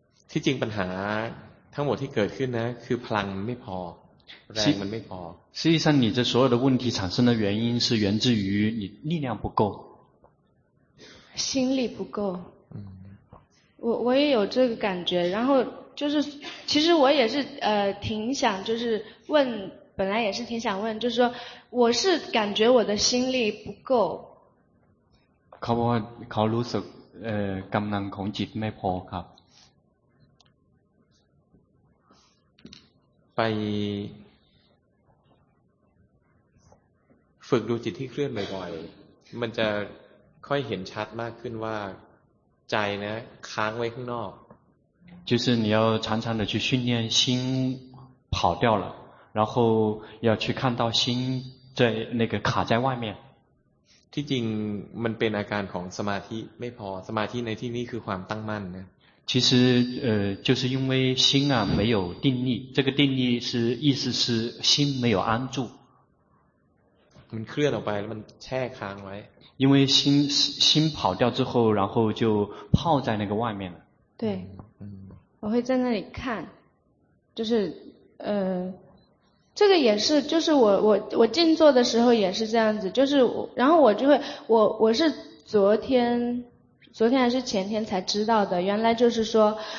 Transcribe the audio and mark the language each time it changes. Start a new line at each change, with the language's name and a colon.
Thai: ที่จริงปัญหาทั้งหมดที่เกิดขึ้นนะคือพลังไม่พอแรงมันไม่พอ ซีซั่น
Chinese: 你这所有的问题产生的原因是源自于你力量不够心力不够我也有这个感觉然后就是其实我也是挺想就是问本来也是挺想问就是说我是感觉我的心力不够
Thai: เขารู้สึกกำลังของจิตไม่พอครับ ไปฝึกดูจิตที่เคลื่อนบ่อยๆมันจะค่อยเห็นชัดมากขึ้นว่าใจนะค้างไว้ข้างนอก
Chinese: 就是你要常常的去训练心跑掉了然后要去看到心在那个卡在外面
Thai: ที่จริงมันเป็นอาการของสมาธิไม่พอสมาธิในที่นี้คือความตั้งมั่นนะ
Chinese: 其实就是因为心啊没有定力这个定力是意思是心没有安住
Thai: มันเคลื่อนออกไปแล้วมันแช่ค้างไว้
Chinese: 因为心跑掉之后然后就泡在那个外面了对我会在那里看就是这个也是就是我静坐的时候也是这样子就是然后我就会我是昨天还是前天才知道的原来就是说